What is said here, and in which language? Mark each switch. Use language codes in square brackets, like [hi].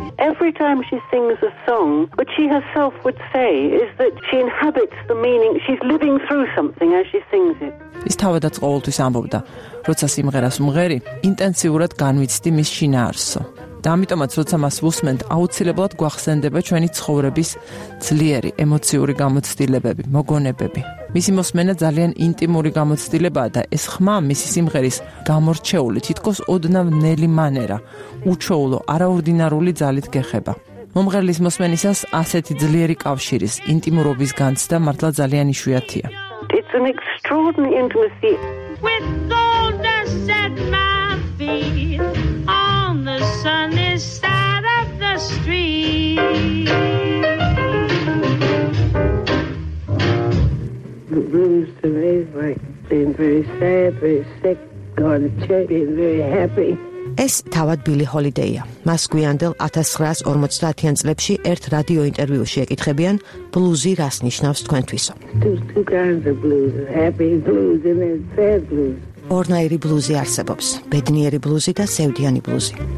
[en] Every time she sings a song, what she herself would say is that she inhabits the meaning, she's living through something as she sings it. [ka] ის თავადაც ყოველთვის ამბობდა, როცა სიმღერას მღერი, ინტენსიურად განვიცდი მის შინაარსო. და ამიტომაც, როცა მას ვუსმენთ, აუცილებლად გვახსენდება ჩვენი ცხოვრების ძლიერი ემოციური გამოცდილებები, მოგონებები. მისი მოსმენა ძალიან ინტიმური გამოცდილებაა და ეს ხმა მისი სიმღერის გამორჩეული, თითქოს ოდნავ ნელი მანერა, უჩვეულო, არაორდინარული ძალით გეხება. მომღერლის მოსმენისას ასეთი ძლიერი კავშირის, ინტიმურობის განცდა მართლა ძალიან იშვიათია. [en] It's an extraordinary intimacy with gold dust at my feet. The sun is side of the street. blues to me is like being very sad, very sick, going to church, being very happy. [ka] ეს თავად ბილი ჰოლიდეია. მას გვიანდელ 1950-იან წლებში ერთ რადიო ინტერვიუში ეკითხებიან ბლუზი რას ნიშნავს თქვენთვის. ორნაირი ბლუზი არსებობს. ბედნიერი ბლუზი და სევდიანი ბლუზი.